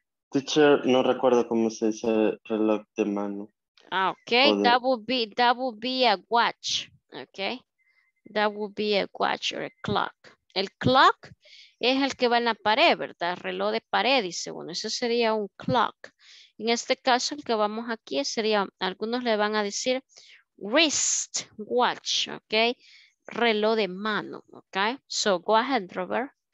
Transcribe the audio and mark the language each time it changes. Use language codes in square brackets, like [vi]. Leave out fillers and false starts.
[es] Teacher, no recuerdo cómo se dice reloj de mano. [en] Ah, okay. De... That would be a watch. Okay. That would be a watch or a clock. [es] El clock es el que va en la pared, ¿verdad? Reloj de pared, dice uno. Eso sería un clock. En este caso, el que vamos aquí sería, algunos le van a decir wrist watch, ¿ok? Reloj de mano, [en] ¿ok? So, go ahead, Robert.